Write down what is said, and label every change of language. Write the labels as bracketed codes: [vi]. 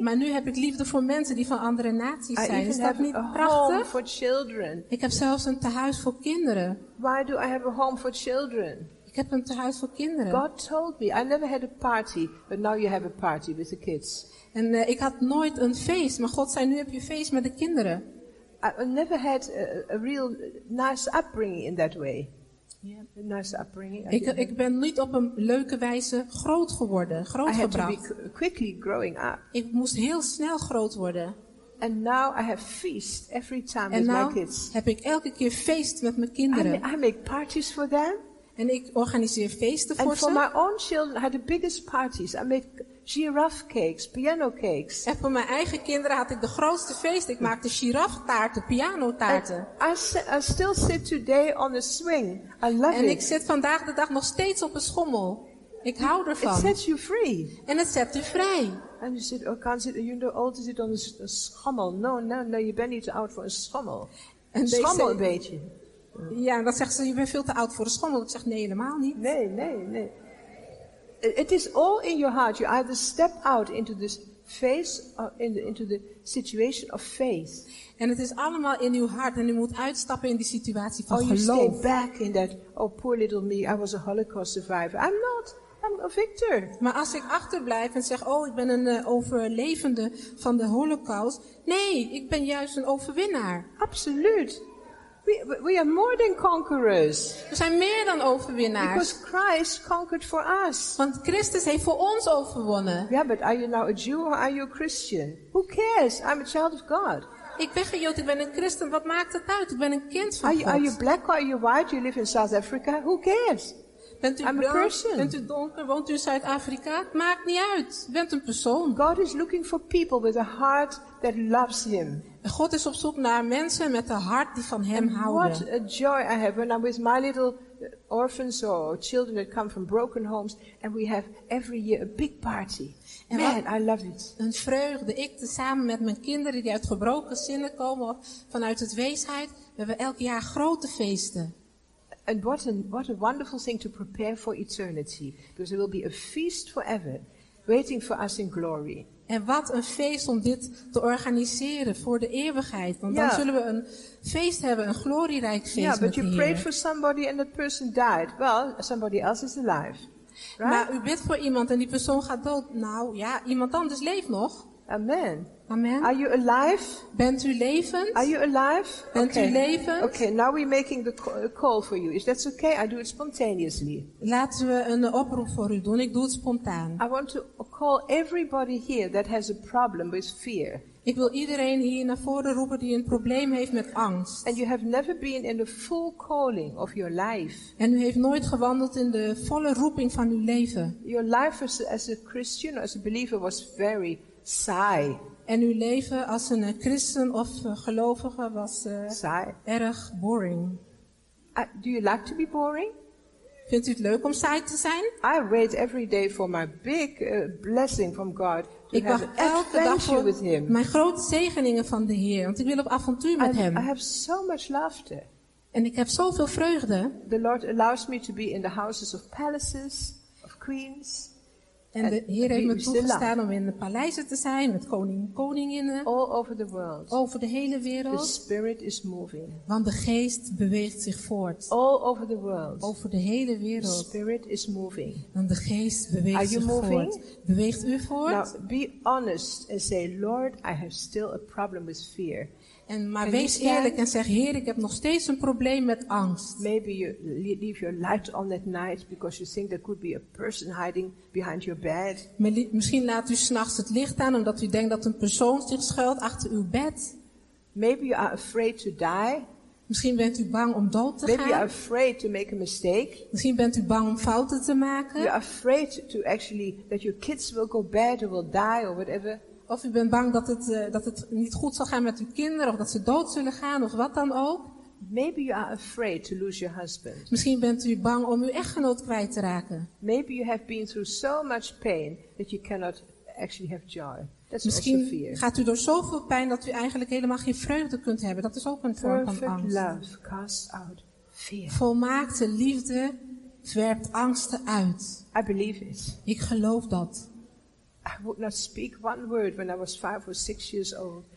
[nl] Maar nu heb ik liefde voor mensen die van andere naties zijn. Is dat niet prachtig? [en] I have a home for children. [nl] Ik heb zelfs een tehuis voor kinderen. [en] Why do I have a home for children? [nl] Ik heb een tehuis voor kinderen. [en] God told me I never had a party, but now you have a party with the kids. [nl] En ik had nooit een feest, maar God zei, nu heb je feest met de kinderen. [en] I never had a real nice upbringing in that way. Yeah. Nice upbringing. [nl] Ik ben niet op een leuke wijze groot geworden, grootgebracht. [en] I had to be quickly growing up. [nl] Ik moest heel snel groot worden. [en] And now I have feast every time with [nl] nou [en] my kids. [nl] Heb ik elke keer feest met mijn kinderen. [en] I make parties for them. [nl] En ik organiseer feesten voor [en] and [nl] ze. [en] And for my own children, I had the biggest parties. I make giraffe cakes, piano cakes. [nl] En voor mijn eigen kinderen had ik de grootste feest. Ik maakte giraftaarten, pianotaarten. [en] I still sit today on a swing. I love [nl] en [en] it. [nl] Ik zit vandaag de dag nog steeds op een schommel. Ik hou ervan. [en] It sets you free. [nl] En het zet u vrij. [en] And you said, oh, can't sit, you're too old to sit on a schommel. No, you [nl] bent niet te oud voor een schommel. Een schommel een beetje. Ja, dan zegt ze, je bent veel te oud voor de schommel. Ik zeg, nee, helemaal niet. [en] Nee. It is all in your heart. You either step out into this face or into the situation of faith. [nl] En het is allemaal in uw hart en u moet uitstappen in die situatie van geloof. [en] Or you stay back in that, oh poor little me, I was a Holocaust survivor. I'm not, I'm a victor. [nl] Maar als ik achterblijf en zeg, oh ik ben een overlevende van de Holocaust. Nee, ik ben juist een overwinnaar. [en] Absoluut. We are more than conquerors. [nl] We zijn meer dan overwinnaars. [en] Because Christ conquered for us. [nl] Want Christus heeft voor ons overwonnen. [en] Yeah, but are you now a Jew or are you a Christian? Who cares? I'm a child of God. [nl] Ik ben geen Jood, ik ben een Christen. Wat maakt het uit? Ik ben een kind van [en] are you, [nl] God. [en] Are you black or are you white? You live in South Africa. Who cares? [nl] Bent u blauw? Bent u donker? Woont u in Zuid-Afrika? Het maakt niet uit. U bent een persoon. [en] God is looking for people with a heart that loves Him. [nl] God is op zoek naar mensen met een hart die van Hem houden. [en] What a joy I have when I'm with my little orphans or children that come from broken homes and we have every year a big party. Man, I love it. [nl] Een vreugde. Ik samen met mijn kinderen die uit gebroken zinnen komen of vanuit het weesheid, we hebben elk jaar grote feesten. [en] And what a wonderful thing to prepare for eternity, because there will be a feast forever, waiting for us in glory. [nl] En wat een feest om dit te organiseren voor de eeuwigheid, want [en] yeah. [nl] Dan zullen we een feest hebben, een glorierijk feest de Heer. [en] Yeah, but you prayed for somebody and that person died. Well, somebody else is alive. Right? [nl] Maar u bidt voor iemand en die persoon gaat dood. Nou, ja, iemand anders leeft nog. Amen. Amen. [en] Are you alive? [nl] Bent u levend? [en] Are you alive? [nl] Bent [en] okay. [nl] U levend? [en] Okay, now we're making the call for you. Is that okay? I do it spontaneously. [nl] Laten we een oproep voor u doen. Ik doe het spontaan. [en] I want to call everybody here that has a problem with fear. [nl] Ik wil iedereen hier naar voren roepen die een probleem heeft met angst. [en] And you have never been in the full calling of your life. [nl] En u heeft nooit gewandeld in de volle roeping van uw leven. [en] Your life as a Christian, as a believer was very saai. [nl] En uw leven als een christen of gelovige was saai. [en] Erg boring. Do you like to be boring? [nl] Vindt u het leuk om saai te zijn? [en] I wait every day for my big blessing from God. [nl] Ik wacht elke dag voor mijn grote zegeningen van de Heer, want ik wil op avontuur met Hem. [en] I have so much laughter. [nl] En ik heb zoveel vreugde. [en] The Lord allows me to be in the houses of palaces, of queens. [nl] En de Heer heeft me toegestaan om in de paleizen te zijn met koningen en koninginnen. [en] All over the world. [nl] Over de hele wereld. [en] The spirit is moving. [nl] Want de geest beweegt zich voort. [en] All over the world. [nl] Over de hele wereld. [en] The spirit is moving. [nl] Want de geest beweegt zich voort. Beweegt u voort? [en] Now be honest and say, Lord, I have still a problem with fear. [nl] En maar wees eerlijk en zeg, Heer, ik heb nog steeds een probleem met angst. [en] Maybe you leave your light on at night because you think there could be a person hiding behind your bed. [nl] Misschien laat u 's nachts het licht aan omdat u denkt dat een persoon zich schuilt achter uw bed. [en] Maybe you are afraid to die. [nl] Misschien bent u bang om dood te [en] Maybe [nl] gaan. [en] You are afraid to make a mistake. [nl] Misschien bent u bang om fouten te maken. [en] You are afraid to actually that your kids will go bad or will die or whatever. [nl] Of u bent bang dat het niet goed zal gaan met uw kinderen, of dat ze dood zullen gaan, of wat dan ook. [en] Maybe you are afraid to lose your husband. [nl] Misschien bent u bang om uw echtgenoot kwijt te raken. [en] Maybe you have been through so much pain that you cannot actually have joy. That's [nl] Misschien [en] also fear. [nl] Gaat u door zoveel pijn dat u eigenlijk helemaal geen vreugde kunt hebben. Dat is ook een [en] Perfect [nl] vorm van angst. [en] Love casts out fear. [nl] Volmaakte liefde werpt angsten uit. [en] I believe it. [nl] Ik geloof dat. [en] I would not speak one word when I was 5 or 6 years old.